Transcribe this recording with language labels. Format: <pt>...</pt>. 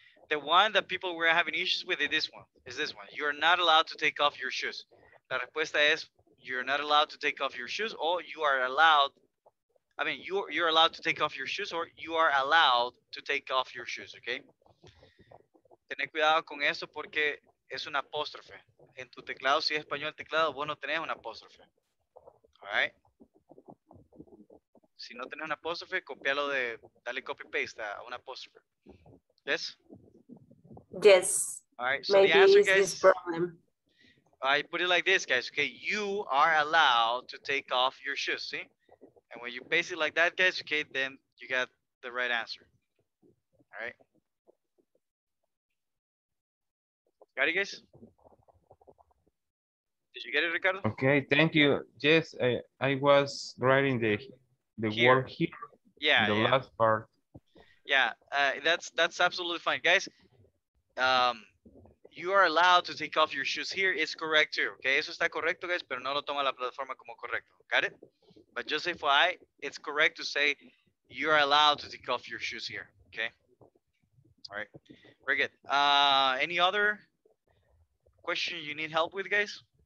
<en>The one that people were having issues with is this one. You're not allowed to take off your shoes.</en> <es>La respuesta es,</es> <en>you're not allowed to take off your shoes or you are allowed. I mean, you're allowed to take off your shoes or you are allowed to take off your shoes, okay?</en> <es>Tené cuidado con eso porque es una apóstrofe. En tu teclado, si es español teclado, vos no tenés una apóstrofe.</es> <en>All right?</en> <es>Si no tenés una apóstrofe, copialo de, dale copy-paste a una apóstrofe. Yes?</es> <en>Yes. All right. So maybe the answer, guys, this problem. I put it like this, guys. Okay. You are allowed to take off your shoes, see? And when you paste it like that, guys, okay, then you got the right answer. All right. Got it, guys? Did you get it, Ricardo? Okay. Thank you. Yes. I was writing the... The here. Word here, yeah, the yeah. Last part. Yeah, that's absolutely fine. Guys, you are allowed to take off your shoes here. It's correct too, okay?</en> <es>Eso está correcto, guys, pero no lo toma la plataforma como correcto.</es> <en>Got it? But just FYI, it's correct to say you are allowed to take off your shoes here, okay? All right, very good. Any other question you need help with, guys?</en>